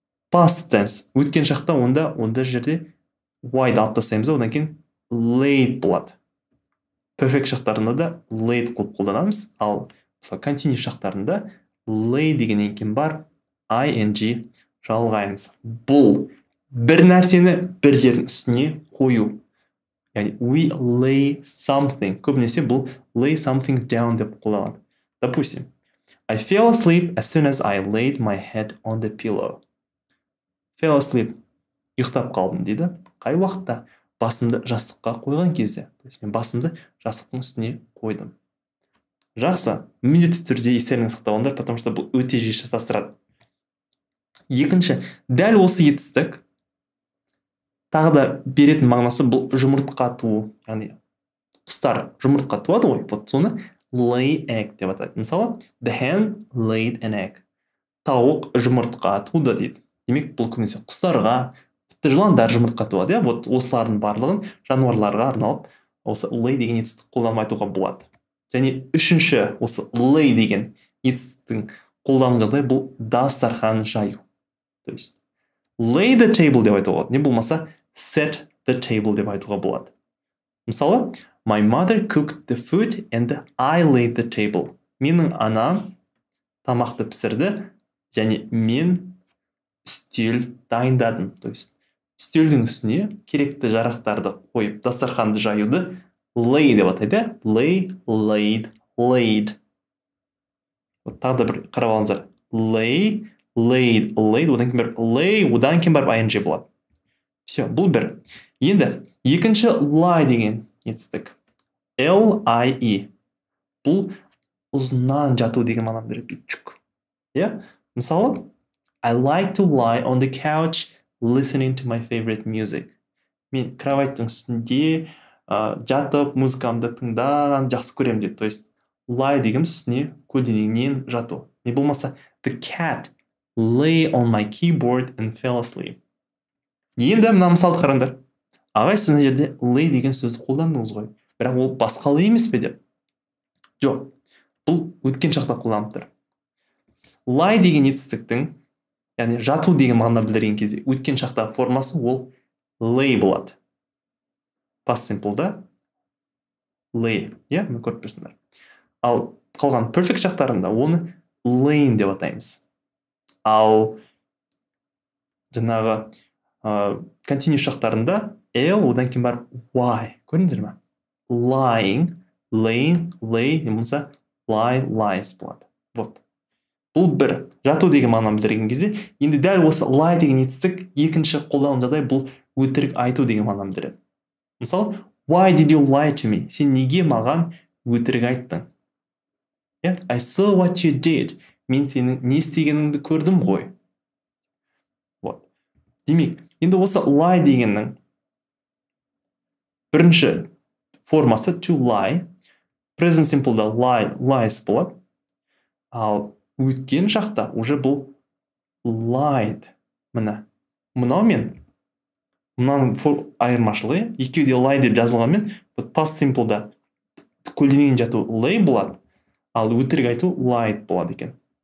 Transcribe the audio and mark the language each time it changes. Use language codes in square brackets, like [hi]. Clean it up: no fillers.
[kk] Past tense өткен шақта онда жерде y алып тастаймыз, одан кейін laid болады. Perfect шақтарында да laid қылып қолданамыз, ал мысалы continuous шақтарында lay дегеннен кейін бар ing жалғаймыз. Бұл бір нәрсені бір жердің үстіне қою. [en] Яғни we lay something. [kk] Көбінесе бұл [en] lay something down [kk] деп қолданады. [ru] Допустим, [en] I fell asleep as soon as I laid my head on the pillow. Fell asleep. [kk] Ұйықтап қалдым дейді. Қай уақытта? Басымды жастыққа қойған кезде. Мен басымды жастықтың үстіне қойдым. Жақсы. Міндетті түрде естеріңізге сақтаңыздар, [ru] потому что [kk] бұл өте жиі шатастырады. Екінші, дәл осы етістік тағы да беретін мағынасы бұл жұмыртқа туу. Яғни құстар жұмыртқа туады ғой, вот соны [en] lay egg [kk] деп атайды. [en] Мысалы, the hen laid an egg. [kk] Тауық жұмыртқа туды дейді. Демек, бұл көбінесе құстарға, тіпті жыландар жұмыртқа туады. Вот осылардың барлығын жануарларға арналып осы lay деген етістік қолданып айтуға болады. Және үшінші, осы lay деген етістіктің қолданылғандай бұл дастархан жаю. [ru] То есть, [en] lay the table [kk] деп айтуға болады. Не болмаса, [en] set the table [kk] деп айтуға болады. [en] Мысалы, my mother cooked the food and I laid the table. [kk] Менің анам тамақты пісірді және мен үстел дайындадым. [ru] То есть, [kk] үстелдің үстіне керекті жарақтарды қойып, дастарханды жаюды lay деп атайды. [en] Lay, laid, laid. [kk] Тағы да бір қарап алыңыздар. [en] Lay, laid, laid. [kk] Одан кейін бір lay, одан кейін бір ing болады. [ru] Все, [kk] бұл бір. Енді екінші lie деген етістік. [en] L-I-E. [kk] Бұл ұзынан жату деген мағынаны білдіреді. Чук. [en] Мысалы, I like to lie on the couch listening to my favorite music. [kk] Мен кроваттың үстінде жатып, музыкамды тыңдаған жақсы көремін деп. [ru] То есть, [kk] lie деген үстіне көлденеңнен жату. Не болмаса, [en] the cat lay on my keyboard and fell asleep. [kk] Енді мына мысалды қараңдар. Ағай, сіздің жерде lay деген сөзді қолдандыңыз ғой. Бірақ ол басқалы емес пе деп? Жоқ. Бұл өткен шақта қолданып тұр. Lie деген етістіктің, яғни жату деген мағынаны білдірген кезде өткен шақта формасы ол lay болады. past simple-да lay, yeah, [ru] мы [kk] көріп берсіндер. Ал қалған perfect жақтарында оны laying деп атаймыз. Ал жаңағы continuous жақтарында L, одан кейін бар Y. Көріндер ма? [en] Lying, laying, lay, немесе lie, lies болады. [ru] Вот. [kk] Бұл бір жату деген мағынаны білдірген кезде, енді дәл осы lie деген етістік екінші қолданылған жағдай бұл өтірік айту деген мағынаны білдіреді. [en] Мысалы, why did you lie to me? [kk] Сен неге маған өтірік айттың? [en] Yeah, I saw what you did. [kk] Мен сенің не істегеніңді көрдім ғой. [ru] Вот. [kk] Демек, енді осы lie дегеннің бірінші формасы to lie. Present simple-да lie, lies болады. Ал өткен шақта уже бұл lied. Міне. Мынау мен мынаның айырмашылығы, екеуі де lie деп жазылғанмен, вот past simple-да көлденеген жату lay болады, ал өтірік айту lied болады екен.